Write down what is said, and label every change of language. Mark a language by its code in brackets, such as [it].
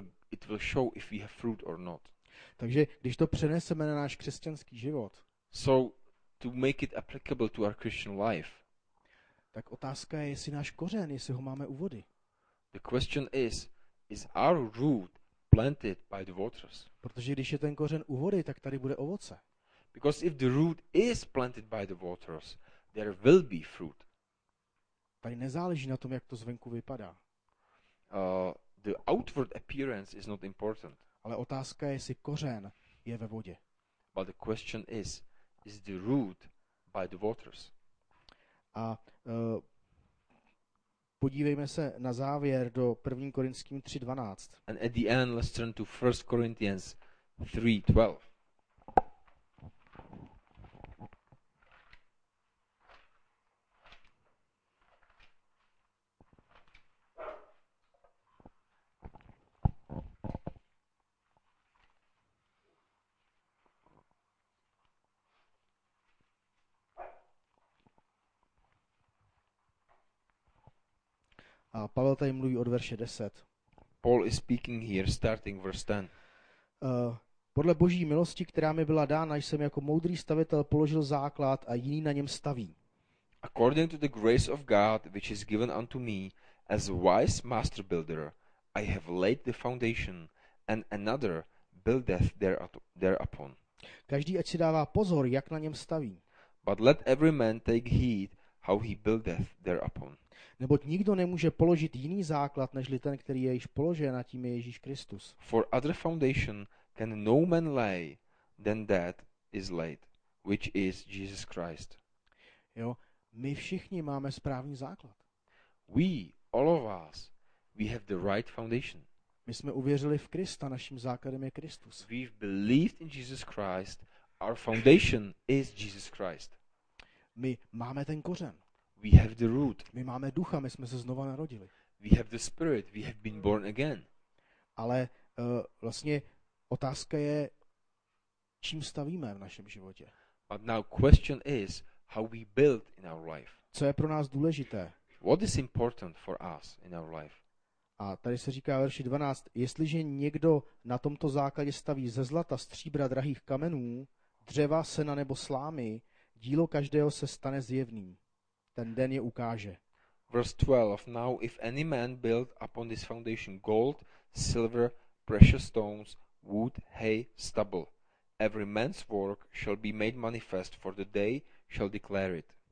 [en] It will show if we have fruit or not. [cs] Takže když to přeneseme na náš křesťanský život. [en] So to make it applicable to our Christian life. [cs] Tak otázka je, jestli náš kořen, jestli ho máme u vody. [en] The question is our root planted by the waters? [cs] Protože když je ten kořen u vody, tak tady bude ovoce. [en] Because if the root is planted by the waters, there will be fruit. [cs] Tady nezáleží na tom, jak to zvenku vypadá. [en] The outward appearance is not important. [cs] Ale otázka je, jestli kořen je ve vodě. [en] But the question is the root by the waters? [cs] A podívejme se na závěr do 1. Korintským 3:12. [en] And at the end let's turn to 1 Corinthians 3:12. [cs] A Pavel tady mluví od verše 10. [en] Paul is speaking here starting verse 10. [cs] Podle Boží milosti, která mi byla dána, jsem jako moudrý stavitel položil základ a jiný na něm staví. [en] According to the grace of God, which is given unto me, as wise master builder, I have laid the foundation, and another buildeth thereupon. [cs] Každý ať si dává pozor, jak na něm staví. [en] But let every man take heed how he buildeth thereupon. [cs] Neboť nikdo nemůže položit jiný základ, nežli ten, který je již položen, a tím je Ježíš Kristus. [en] For other foundation can no man lay than that is laid, which is Jesus Christ. [cs] Jo, my všichni máme správný základ. [en] We, all of us, we have the right foundation. [cs] My jsme uvěřili v Krista, naším základem je Kristus. [en] We've believed in Jesus Christ, our foundation is Jesus Christ. [cs] My máme ten kořen. [en] We have the root. [cs] My máme ducha, my jsme se znova narodili. [en] We have the spirit, we have been born again. [cs] Ale vlastně otázka je, čím stavíme v našem životě. [en] But now question is, how we build in our life. [cs] Co je pro nás důležité? [en] What is important for us in our life? [cs] A tady se říká verši 12, jestliže někdo na tomto základě staví ze zlata, stříbra, drahých kamenů, dřeva, sena nebo slámy, dílo každého se stane zjevným. Ten den je ukáže. [en] Verse 12, now if any man build upon this foundation gold, silver, precious stones, wood, hay, stubble, every man's work shall be made manifest, for the day shall declare it.